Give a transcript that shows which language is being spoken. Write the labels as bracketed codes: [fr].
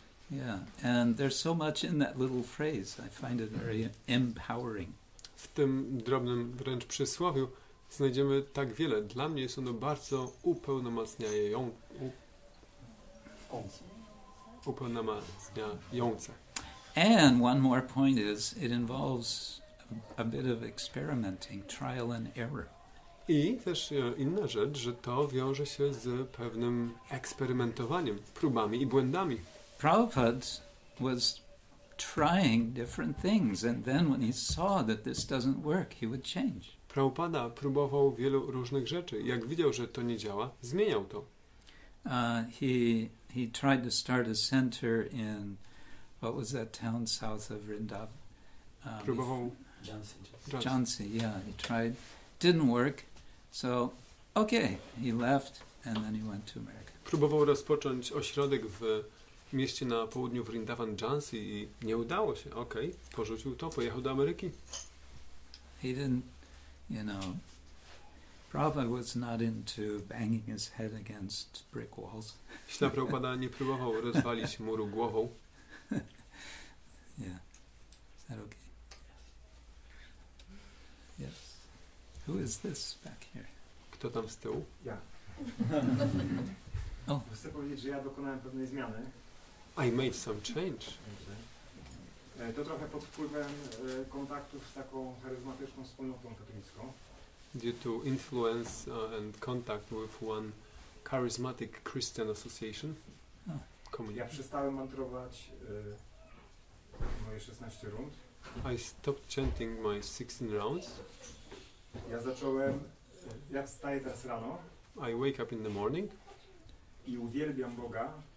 [en] Yeah, and there's so much in that little phrase. I find it very empowering. [pl] W tym drobnym wręcz przysłowiu znajdziemy tak wiele. Dla mnie jest ono bardzo upełnomacniające. [en] And one more point is, it involves a bit of experimenting, trial and error. [pl] I też inna rzecz, że to wiąże się z pewnym eksperymentowaniem, próbami i błędami. [en] Prabhupada was trying different things and then when he saw that this doesn't work, he would change. [pl] Prabhupada próbował wielu różnych rzeczy. Jak widział, że to nie działa, zmieniał to. [en] He tried to start a center in what was that town south of Vrindavan? [pl] Próbował [en] Jhansi, yeah, he tried, didn't work. So, okay, he left and then he went to America. [pl] Próbował rozpocząć ośrodek w mieście na południu Vrindavan, Jhansi i nie udało się. Okej, okay, porzucił to, pojechał do Ameryki. [en] He didn't, you know, Prabhupada was not into banging his head against brick walls. [pl] Śla Prabhupada nie próbował rozwalić muru głową. [en] Yeah, is that okay? Yes. Who is this back here? [pl] Kto tam z tyłu? Ja. Oh. Chcę powiedzieć, że ja dokonałem pewnej zmiany. [en] I made some change. [pl] To trochę pod wpływem kontaktów z taką charyzmatyczną wspólnotą katolicką. [en] Due to influence and contact with one charismatic Christian association. Oh. [pl] Ja przestałem mantrować moje 16 rund. [en] I stopped chanting my 16 rounds. [pl] Ja zacząłem, ja wstaję teraz rano. [en] I wake up in the morning. [pl] I uwielbiam Boga.